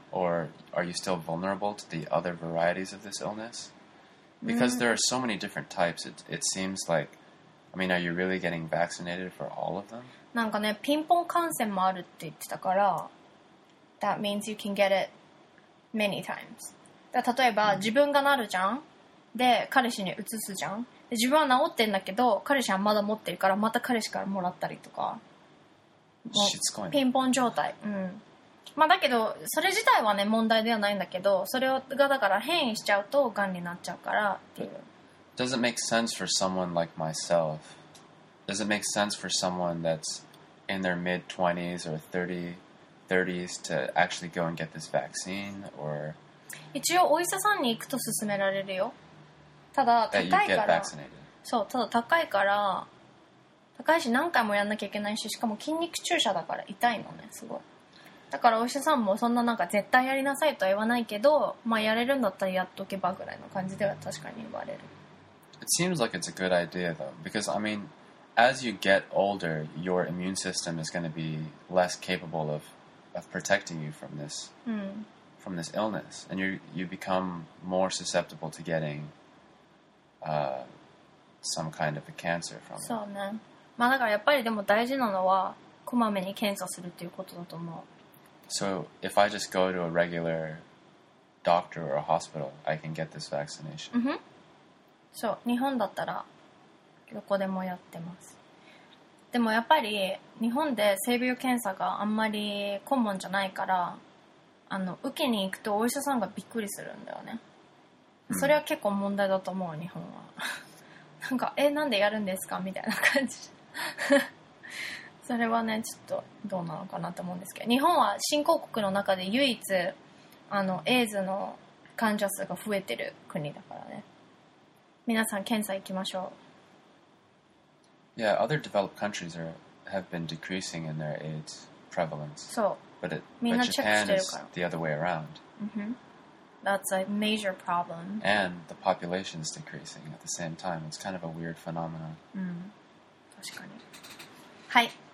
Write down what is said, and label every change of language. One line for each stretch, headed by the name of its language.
English: Or are you still vulnerable to the other varieties of this illness? Because there are so many different types, it seems like, I mean, are you really getting vaccinated for all of them?
Japanese: なんかね、ピンポン感染もあるって言ってたから、
English: that means you can get it many times.
Japanese: 例えば、自分がなるじゃん。で、彼氏にうつすじゃん。で、自分は治ってんだけど、彼氏はまだ持ってるから、また彼氏からもらったりとか。しつこいね。ピンポン状態。うん。まあだけど、それ自体はね、問題ではないんだけど、それがだから変異しちゃうと、癌になっちゃうからっていう。
English: Does it make sense for someone like myself? Does it make sense for someone that's in their mid-20s or 30s to actually go and get this vaccine? Or...
Japanese: 一応、お医者さんに行くと勧められるよ。ただ、高いから。そう、ただ高いから、高いし何回もやんなきゃいけないし、しかも筋肉注射だから痛いのね、すごい。だからお医者さんもそんななんか絶対やりなさいとは言わないけど、まあやれるんだったらやっとけばぐらいの感じでは確かに言われる。
English: It seems like it's a good idea though, because I mean, as you get older, your immune system is going to be less capable of protecting you from this,、from this illness, and you become more susceptible to getting、some kind of a cancer from
Japanese: it. そうね。まあだからやっぱりでも大事なのはこまめに検査するっていうことだと思う。
English: So if I just go to a regular doctor or a hospital, I can get this vaccination. Mm-hmm.
Japanese: So, 日本だったらどこでもやってます。でもやっぱり日本で性病検査があんまり顧問じゃないから、あの受けに行くとお医者さんがびっくりするんだよね。それは結構問題だと思う、日本は。なんか、え、なんでやるんですかみたいな感じ。それはね、ちょっとどうなのかなと思うんですけど、日本は新興国の中で唯一あのエイズの患者数が増えてる国だからね。皆さん検査行きましょう。
English: Yeah, other developed countries have been decreasing in their AIDS prevalence.
Japanese: そう。
English: But Japan is the other way around. That's a major problem. And the population is decreasing at the same time. It's kind of a weird phenomenon.
Japanese: 確かに。はい。